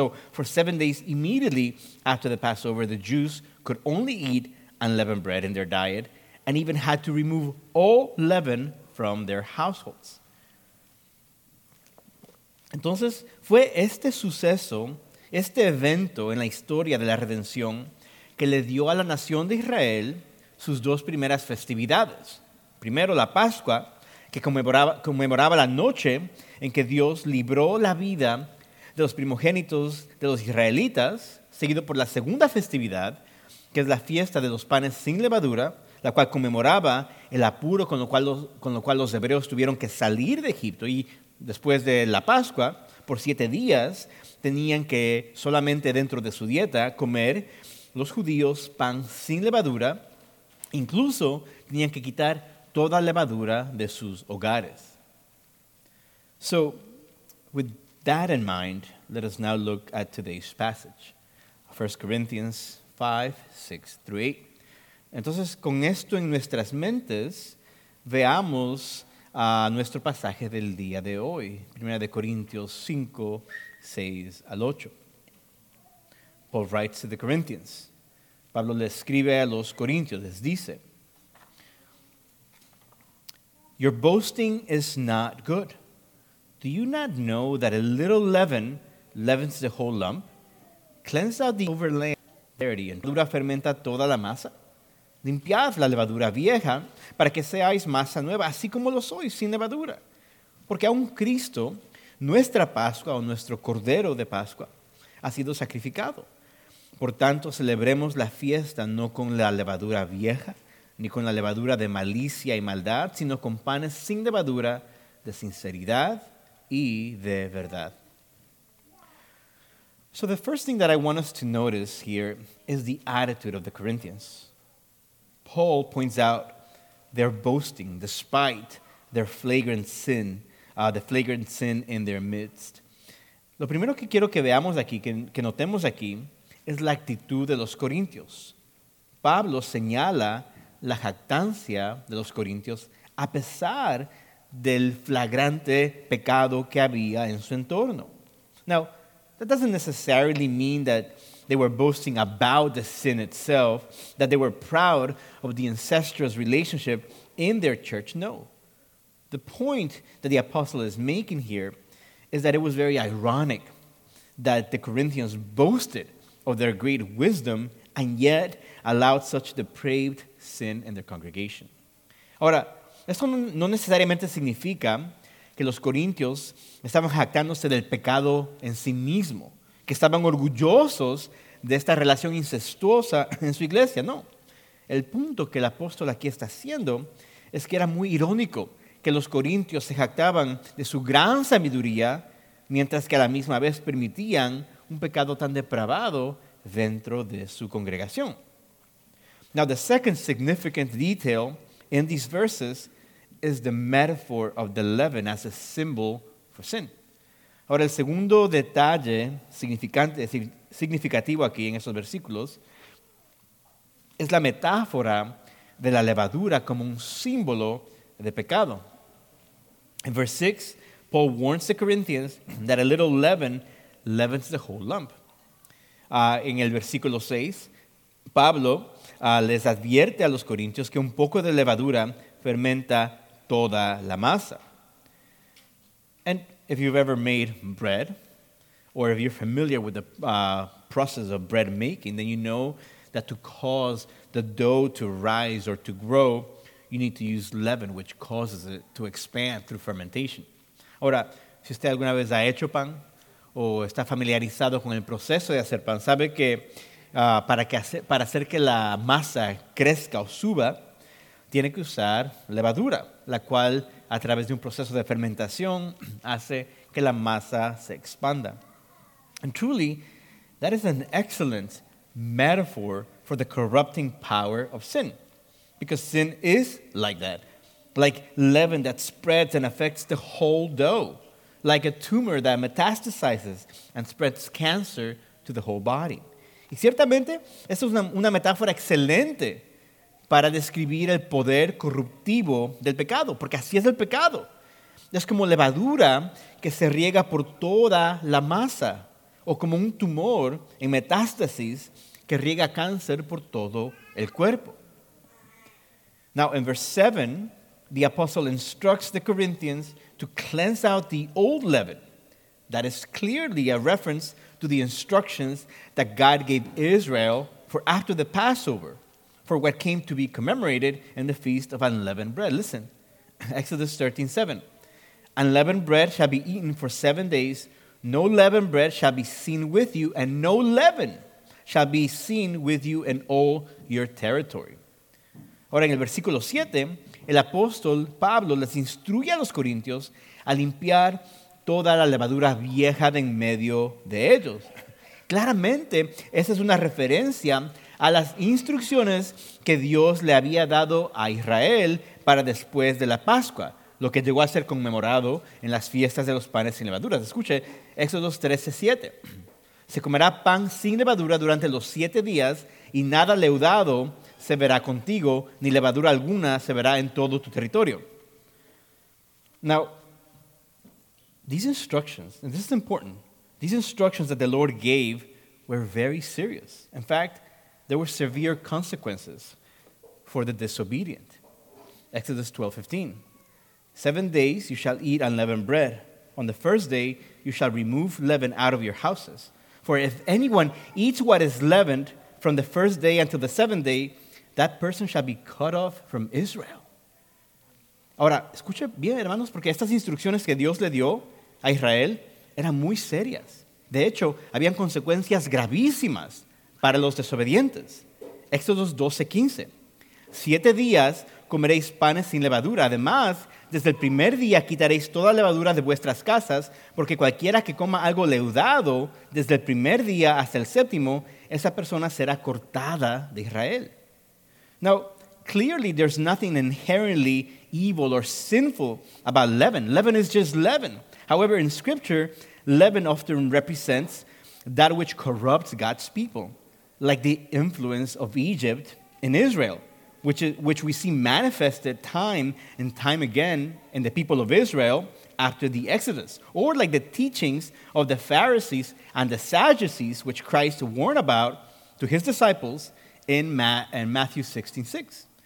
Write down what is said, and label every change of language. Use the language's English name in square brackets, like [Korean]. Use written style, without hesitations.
[English] So for 7 days immediately after the Passover, the Jews could only eat unleavened bread in their diet and even had to remove all leaven from their households. [Spanish] Entonces, fue este suceso, este evento en la historia de la redención que le dio a la nación de Israel sus dos primeras festividades. Primero, la Pascua, que conmemoraba la noche en que Dios libró la vida de los primogénitos de los israelitas, seguido por la segunda festividad, que es la fiesta de los panes sin levadura, la cual conmemoraba el apuro con lo cual los hebreos tuvieron que salir de Egipto. Y después de la Pascua, por 7 días, tenían que solamente dentro de su dieta comer los judíos pan sin levadura. Incluso tenían que quitar toda levadura de sus hogares. [English] So, with that in mind, let us now look at today's passage. 1 Corinthians 5:6-8. [Spanish] Entonces, con esto en nuestras mentes, veamos a nuestro pasaje del día de hoy. 1 Corintios 5:6-8. [English] Paul writes to the Corinthians. [Spanish] Pablo le escribe a los Corintios, les dice: [English] Your boasting is not good. Do you not know that a little leaven leavens the whole lump? Cleanse out the overlay dirty and dura fermenta toda la masa. [Spanish] Limpiad la levadura vieja para que seáis masa nueva, así como lo sois sin levadura. Porque aún Cristo, nuestra Pascua o nuestro Cordero de Pascua, ha sido sacrificado. Por tanto, celebremos la fiesta no con la levadura vieja, ni con la levadura de malicia y maldad, sino con panes sin levadura de sinceridad y de verdad. [English] So the first thing that I want us to notice here is the attitude of the Corinthians. Paul points out their boasting despite their flagrant sin, the flagrant sin in their midst. [Spanish] Lo primero que quiero que veamos aquí, que notemos aquí, es la actitud de los corintios. Pablo señala la jactancia de los corintios a pesar del flagrante pecado que había en su entorno. [English] Now, that doesn't necessarily mean that they were boasting about the sin itself, that they were proud of the incestuous relationship in their church. No. The point that the apostle is making here is that it was very ironic that the Corinthians boasted of their great wisdom and yet allowed such depraved sin in their congregation. [Spanish] Ahora, esto no necesariamente significa que los corintios estaban jactándose del pecado en sí mismo, que estaban orgullosos de esta relación incestuosa en su iglesia, no. El punto que el apóstol aquí está haciendo es que era muy irónico que los corintios se jactaban de su gran sabiduría mientras que a la misma vez permitían un pecado tan depravado dentro de su congregación. [English] Now, the second significant detail in these verses is the metaphor of the leaven as a symbol for sin. [Spanish] Ahora, el segundo detalle significativo aquí en estos versículos es la metáfora de la levadura como un símbolo de pecado. [English] In verse 6, Paul warns the Corinthians that a little leaven leavens the whole lump. [Spanish] En el versículo 6, Pablo les advierte a los corintios que un poco de levadura fermenta toda la masa. [English] And if you've ever made bread, or if you're familiar with the process of bread making, then you know that to cause the dough to rise or to grow, you need to use leaven, which causes it to expand through fermentation. [Spanish] Ahora, si usted alguna vez ha hecho pan, o está familiarizado con el proceso de hacer pan, sabe que para hacer que la masa crezca o suba, tiene que usar levadura, la cual a través de un proceso de fermentación hace que la masa se expanda. [English] And truly, that is an excellent metaphor for the corrupting power of sin, because sin is like that. Like leaven that spreads and affects the whole dough. Like a tumor that metastasizes and spreads cancer to the whole body. [Spanish] Y ciertamente, esa es una metáfora excelente para describir el poder corruptivo del pecado. Porque así es el pecado. Es como levadura que se riega por toda la masa. O como un tumor en metástasis que riega cáncer por todo el cuerpo. [English] Now, in verse 7, the apostle instructs the Corinthians to cleanse out the old leaven. That is clearly a reference to the instructions that God gave Israel for after the Passover, for what came to be commemorated in the Feast of Unleavened Bread. Listen, Exodus 13:7. Unleavened bread shall be eaten for 7 days. No leavened bread shall be seen with you, and no leaven shall be seen with you in all your territory. [Spanish] Ahora, en el versículo 7, el apóstol Pablo les instruye a los corintios a limpiar toda la levadura vieja de en medio de ellos. Claramente, esa es una referencia a las instrucciones que Dios le había dado a Israel para después de la Pascua, lo que llegó a ser conmemorado en las fiestas de los panes sin levaduras. Escuche, Éxodo 13:7. Se comerá pan sin levadura durante los 7 días y nada leudado se verá contigo, ni levadura alguna se verá en todo tu territorio. [English] Now, these instructions, and this is important, these instructions that the Lord gave were very serious. In fact, there were severe consequences for the disobedient. Exodus 12:15. 7 days you shall eat unleavened bread. On the first day you shall remove leaven out of your houses. For if anyone eats what is leavened from the first day until the seventh day, that person shall be cut off from Israel. [Spanish] Ahora, escuche bien, hermanos, porque estas instrucciones que Dios le dio a Israel eran muy serias. De hecho, habían consecuencias gravísimas para los desobedientes. Éxodos 12:15. 7 días comeréis panes sin levadura. Además, desde el primer día quitaréis toda levadura de vuestras casas, porque cualquiera que coma algo leudado desde el primer día hasta el séptimo, esa persona será cortada de Israel. [English] Now, clearly there's nothing inherently evil or sinful about leaven. Leaven is just leaven. However, in Scripture, leaven often represents that which corrupts God's people, like the influence of Egypt in Israel, which we see manifested time and time again in the people of Israel after the Exodus, or like the teachings of the Pharisees and the Sadducees, which Christ warned about to his disciples in Matthew 16:6.